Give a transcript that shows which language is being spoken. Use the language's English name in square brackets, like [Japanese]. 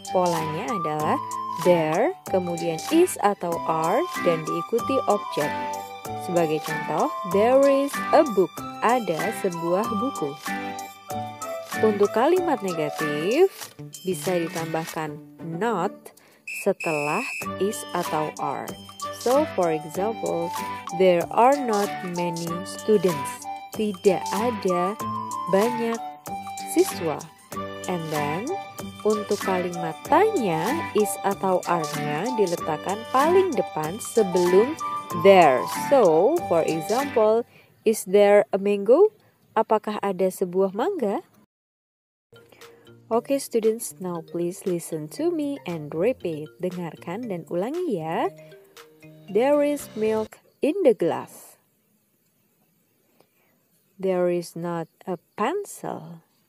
[Indonesian] Polanya adalah there, kemudian is atau are, dan diikuti objek. Sebagai contoh, [English] there is a book, [Indonesian] ada sebuah buku. Untuk kalimat negatif, bisa ditambahkan not setelah is atau are. [English] So, for example, there are not many students. [Indonesian] Tidak ada banyak siswa. [English] And then, [Indonesian] untuk kalimat tanya, is atau are-nya diletakkan paling depan sebelum there. [English] So, for example, is there a mango? [Indonesian] Apakah ada sebuah mangga? [English] Okay, students, now please listen to me and repeat. [Indonesian] Dengarkan dan ulangi ya. [English] There is milk in the glass. There is not a pencil.